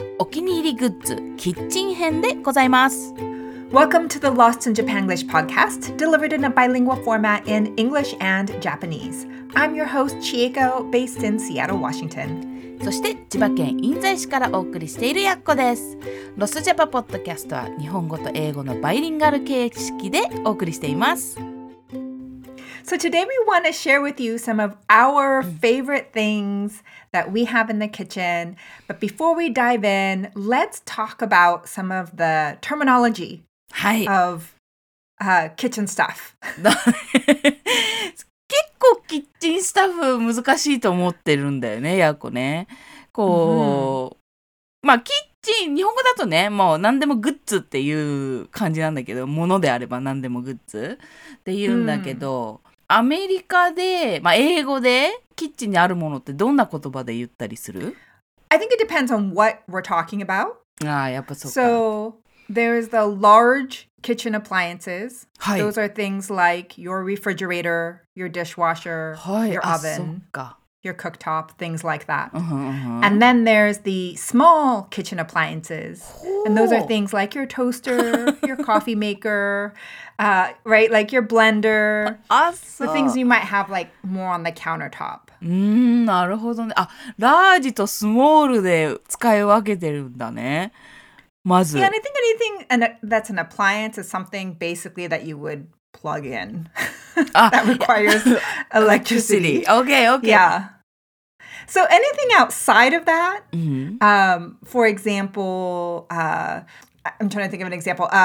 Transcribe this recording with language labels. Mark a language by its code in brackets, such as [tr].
[ja] お気に入りグッズ、キッチン編でございます。 [en] Welcome to the Lost in Japanglish podcast, delivered in a bilingual format in English and Japanese. I'm your host, Chieko, based in Seattle, Washington. [ja] そして千葉県印西市からお送りしているやっこです。ロスジャパポッドキャストは日本語と英語のバイリンガル形式でお送りしています。 [en] So today we want to share with you some of our favorite things that we have in the kitchen. But before we dive in, let's talk about some of the terminology、はい、 of、kitchen stuff. [ja] 結構キッチンスタッフ難しいと思ってるんだよね、やこね。こう、mm-hmm. まあキッチン、日本語だとね、もう何でもグッズっていう感じなんだけど、物であれば何でもグッズって言うんだけど、mm-hmm. アメリカで、まあ、英語でキッチンにあるものってどんな言葉で言ったりする？ [en] I think it depends on what we're talking about. [ja] ああ、やっぱそうか。 [en] So, there's the large kitchen appliances.、はい、 Those are things like your refrigerator, your dishwasher,、はい、 your oven, your cooktop, things like that. Uh-huh, uh-huh. And then there's the small kitchen appliances. And those are things like your toaster, your coffee maker,right, like your blender, the things you might have like more on the countertop. [ja] なるほどね。あ、ラージとスモールで使い分けてるんだね。まず。 [en] Yeah, and I think anything that's an appliance is something basically that you would plug in that requires electricity. Okay, okay. Yeah. So anything outside of that, for example, I'm trying to think of an example.